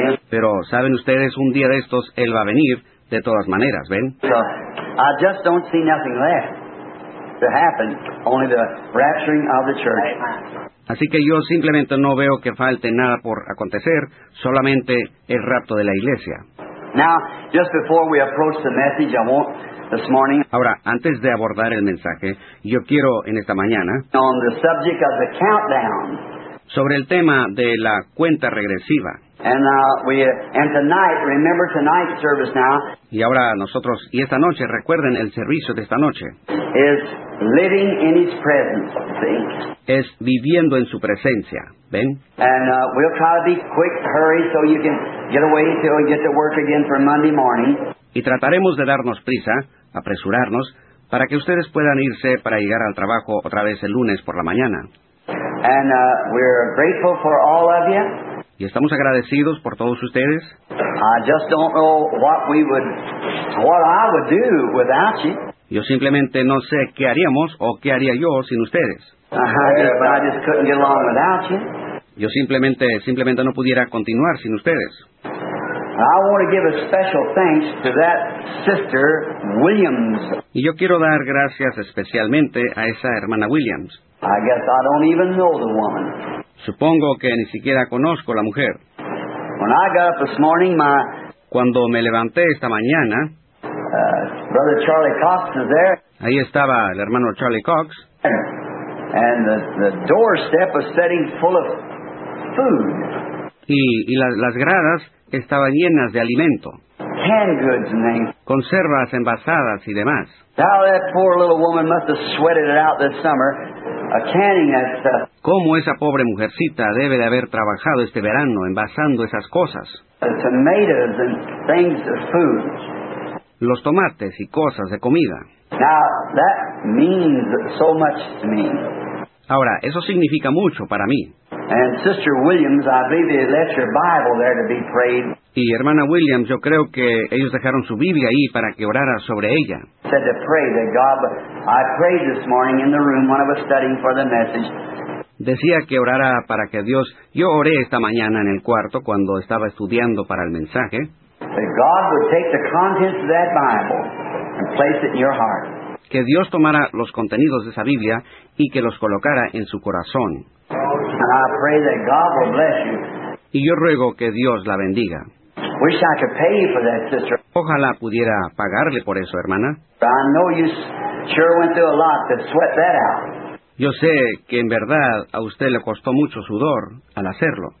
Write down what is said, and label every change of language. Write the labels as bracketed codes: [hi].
[es] Pero, ¿saben ustedes? Un día de estos, Él va a venir, de todas maneras, ¿ven? [en] So, I just don't see nothing left to happen, only the rapturing of the church. [es] Así que yo simplemente no veo que falte nada por acontecer, solamente el rapto de la iglesia. [en] Now, just before we approach the message, I want this morning. [es] Ahora, antes de abordar el mensaje, yo quiero en esta mañana. [en] On the subject of the countdown. [es] Sobre el tema de la cuenta regresiva. [en] And tonight, remember tonight's service now. [es] Y ahora nosotros, y esta noche, recuerden el servicio de esta noche. [en] Is living in his presence, see? [es] Es viviendo en su presencia, ¿ven? [en] And we'll try to be quick, hurry, so you can get away till you get to work again for Monday morning. [es] Y trataremos de darnos prisa, apresurarnos, para que ustedes puedan irse para llegar al trabajo otra vez el lunes por la mañana. [en] And we're grateful for all of you. [es] Y estamos agradecidos por todos ustedes. [en] I just don't know what I would do without you. [es] Yo simplemente no sé qué haríamos o qué haría yo sin ustedes. [en] I just couldn't get along without you. [es] Yo simplemente no pudiera continuar sin ustedes. [en] I want to give a special thanks to that sister, Williams. [es] Y yo quiero dar gracias especialmente a esa hermana Williams. [en] I guess I don't even know the woman. [es] Supongo que ni siquiera conozco la mujer. [en] When I got up this morning, [es] cuando me levanté esta mañana, [en] Brother Charlie Cox was there. [es] Ahí estaba el hermano Charlie Cox. [en] And the doorstep was sitting full of food. [es] Y las gradas estaban llenas de alimento. [en] Canned goods and things. [es] Conservas envasadas y demás. [en] How that poor little woman must have sweated it out this summer, canning that stuff. [es] ¿Cómo esa pobre mujercita debe de haber trabajado este verano envasando esas cosas? [en] The tomatoes and things of food. [es] Los tomates y cosas de comida. [en] Now, that means so much to me. [es] Ahora, eso significa mucho para mí. [en] And Sister Williams, I believe they left your Bible there to be prayed. [es] Y hermana Williams, yo creo que ellos dejaron su Biblia ahí para que orara sobre ella. [en] Said to pray that God, I prayed this morning in the room when I was studying for the message. [es] Decía que orara para que Dios, yo oré esta mañana en el cuarto cuando estaba estudiando para el mensaje. [en] That God would take the contents of that Bible and place it in your heart. [es] Que Dios tomara los contenidos de esa Biblia y que los colocara en su corazón. [en] And I pray that God will bless you. [es] Y yo ruego que Dios la bendiga. [en] Wish I could pay you for that, sister. [es] Ojalá pudiera pagarle por eso, hermana. [en] But I know you sure went through a lot to sweat that out. [es] Yo sé que en verdad a usted le costó mucho sudor al hacerlo.